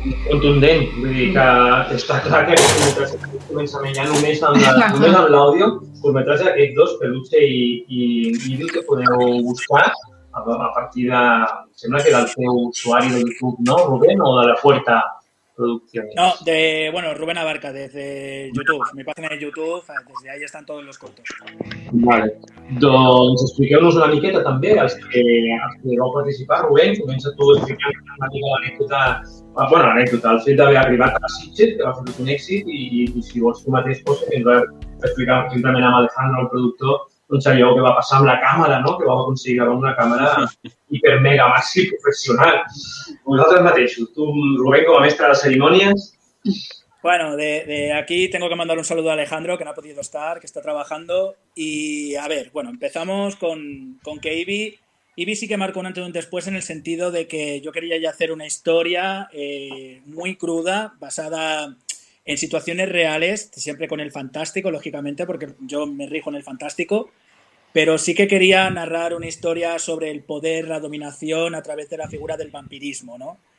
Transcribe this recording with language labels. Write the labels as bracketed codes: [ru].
[ca] Contundent, vull dir que està clar que aquest curtmetratge comença a menjar només amb l'àudio, curtmetratge d'aquests dos, Peluche i Guido, que podeu buscar a partir de, sembla que del teu usuari de YouTube, no, Rubén, o de la Puerta Producciones? [es] No, de, bueno, Rubén Abarca, desde YouTube, mi página de YouTube, desde ahí están todos los cortos. [ca] Vale, doncs expliqueu-nos una miqueta també, els que vau participar, Rubén, comença tu explicant una mica l'anècdota. Bueno, l'anècdota, el fet d'haver arribat a Sitges, que va fer un èxit, i si vols tu mateix, que ens va explicar juntament amb Alejandro, el productor, doncs allò que va passar amb la càmera, no? Que vam aconseguir amb una càmera hipermegamàxi professional. Vosaltres mateixos, tu, Rubén, com a mestre de cerimònies. [es] Bueno, de aquí tengo que mandar un saludo a Alejandro, que no ha podido estar, que está trabajando. Y a ver, bueno, empezamos con que Ivy sí que marcó un antes y un después en el sentido de que yo quería ya hacer una historia muy cruda, basada en situaciones reales, siempre con el fantástico, lógicamente, porque yo me rijo en el fantástico, pero sí que quería narrar una historia sobre el poder, la dominación a través de la figura del vampirismo, ¿no?